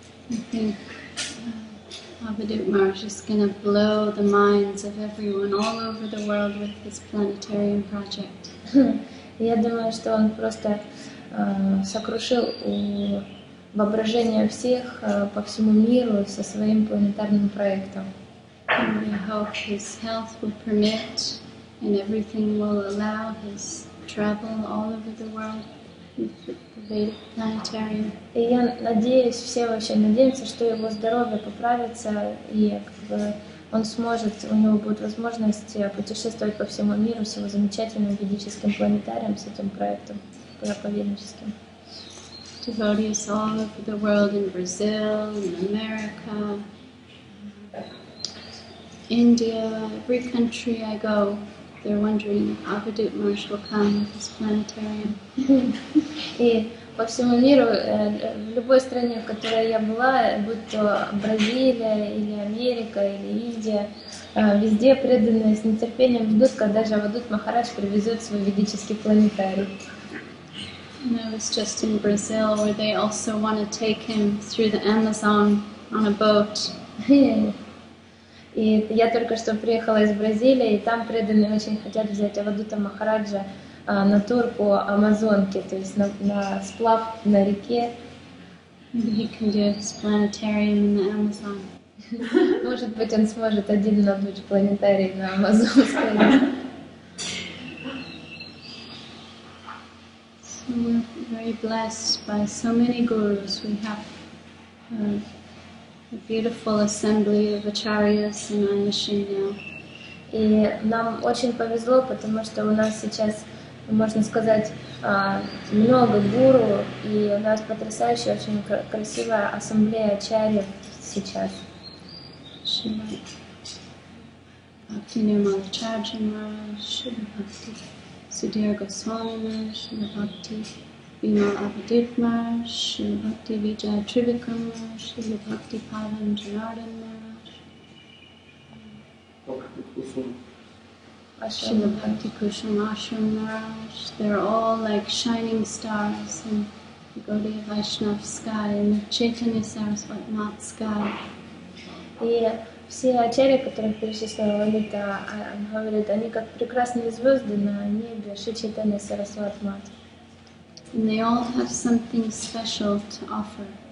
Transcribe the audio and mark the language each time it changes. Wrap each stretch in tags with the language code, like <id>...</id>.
<en>Abhidip Maharaj is going to blow the minds of everyone all over the world with his planetarium project.</en> <ru>Я думаю, что он просто сокрушил воображение всех по всему миру со своим планетарным проектом.</ru> <en>We hope his health will permit and everything will allow his travel all over the world with the Vedic planetarium.</en> <ru>И я надеюсь, все вообще надеются, что его здоровье поправится и как бы он сможет, у него будет возможность путешествовать по всему миру с его замечательным ведическим планетарием, с этим проектом проповедническим.</ru> <en>Devotees all over the world, in Brazil, in America, India, every country I go, they're wondering if Abhidip Maharaj will come with his planetarium.</en> <ru>И по всему миру, в любой стране, в которой я была, будь то Бразилия, или Америка, или Индия, везде преданные с нетерпением ждут, когда же Авадут Махарадж привезет свой ведический планетарий.</ru> <en>And I was just in Brazil, where they also want to take him through the Amazon on a boat.</en> <ru>И я только что приехала из Бразилии, и там преданные очень хотят взять Авадута Махараджа на тур по Амазонке, то есть на сплав на реке.</ru> <en>He can do his planetarium in the Amazon.</en> <ru>Может быть, он сможет один надуть планетарий на Амазонской.</ru> <en>So we're very blessed by so many gurus. We have a beautiful assembly of acharyas in our mission now.</en> <ru>И нам очень повезло, потому что у нас сейчас можно сказать, много гуру, и у нас потрясающая, очень красивая ассамблея ачарьев сейчас. Бхакти Нирмала Чарджи Мараш, Бхакти Судир Госвами Мараш, Бхакти Бимал Абхадит Мараш, Бхакти Виджая Тривика Мараш, Бхакти Павлан Джанардан Мараш.</ru> <en>Ashram Bhakti Kushan Ashram Maharaj, they're all like shining stars in the Gaudiya Vaishnav sky and the Chaitanya Saraswati Mat sky.</en> <ru>И все ачарьи, которые перечислила Лолита, говорят, они как прекрасные звезды на небе, Шри Чайтанья Сарасвати Мат.</ru> <en>And they all have something special to offer.</en>